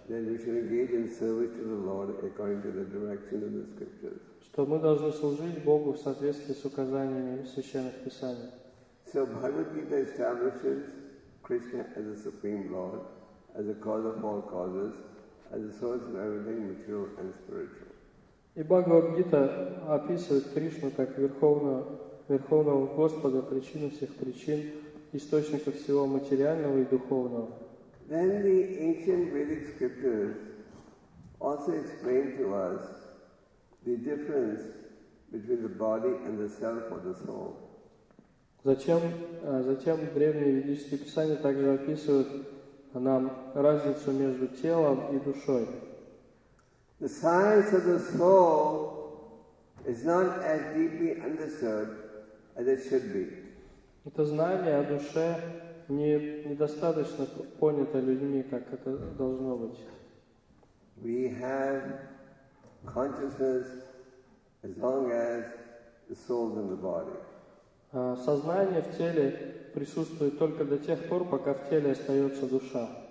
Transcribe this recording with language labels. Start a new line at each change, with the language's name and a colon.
English: Then we should engage in service to the Lord according to the direction of the Scriptures.
Russian: Что мы должны служить Богу в соответствии с указаниями священных писаний.
English: So Bhagavad Gita establishes Krishna as the supreme Lord, as the cause of all causes, as the source of everything material and spiritual.
Russian: И Бхагавад Гита описывает Кришну как верховного Господа, причину всех причин, источника всего материального и духовного.
English: Then the ancient Vedic scriptures also explain to us the difference between the body and the self or the soul.
Russian: Затем древние ведические писания также описывают нам разницу между телом и душой.
English: The science of the soul is not as deeply understood as it should be.
Russian: Это знание о душе недостаточно понято людьми, как это должно быть. Сознание в теле присутствует только до тех пор, пока в теле остается душа.